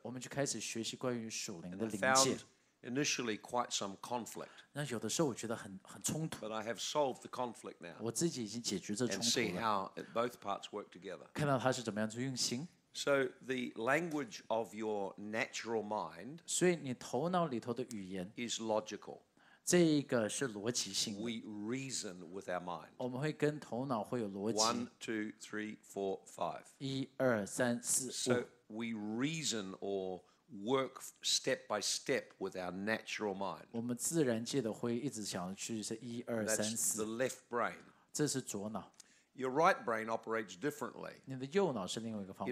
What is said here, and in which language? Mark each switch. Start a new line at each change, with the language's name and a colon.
Chinese: 我们就开始学习关于属灵的灵界。
English: And I found initially quite some conflict.
Chinese: 那有的时候我觉得很冲突。
English: But I have solved the conflict now.
Chinese: 我自己已经解决这冲突了。
English: And see how both parts work together.
Chinese: 看到它是怎么样子运行。
English: So the language of your natural mind,
Chinese: 所以你头脑里头的语言
English: is logical.
Chinese: 这一个是逻辑性的。
English: We reason with our mind.
Chinese: 我们会跟头脑会有逻辑。
English: 1, 2, 3, 4, 5. 1, 2, 3, 4. So we reason or work step by step with our natural mind.
Chinese: 我们自然界的会一直想去是一二三四。
English: That's the left brain.
Chinese: 这是左脑。
English: Your right brain operates differently.
Chinese: 你的右脑是另外一个方法。